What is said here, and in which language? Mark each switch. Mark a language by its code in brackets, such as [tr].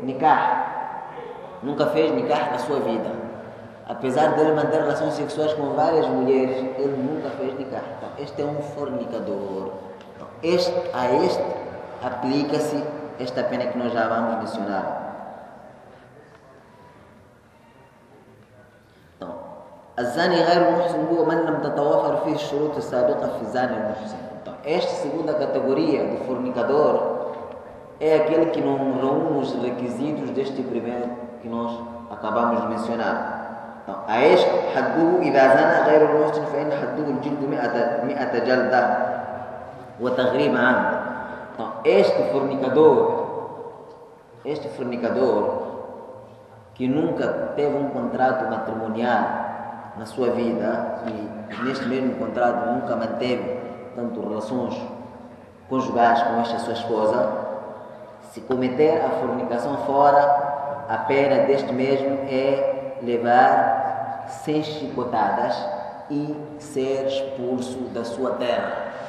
[pt] Nikah. Nunca fez nikah na sua vida. Apesar de ele manter relações sexuais com várias mulheres, ele nunca fez nikah. Então, este é um fornicador. Então, a este aplica-se esta pena que nós já vamos mencionar. [ar] الزاني غير محسن هو من لم تتوافر فيه الشروط السابقة في الزاني المحسن. [pt] Então, esta segunda categoria do fornicador é aquele que não reúne os requisitos deste primeiro que nós acabamos de mencionar. Então, a este, [ar] حدوه إذا زنى غير المحسن فإن حدوه الجلد 100 جلدة وتغريم عنه. [pt] Então, este fornicador que nunca teve contrato matrimonial na sua vida e neste mesmo contrato nunca manteve tanto relações conjugais com esta sua esposa, se cometer a fornicação fora, a pena deste mesmo é levar 100 chicotadas e ser expulso da sua terra.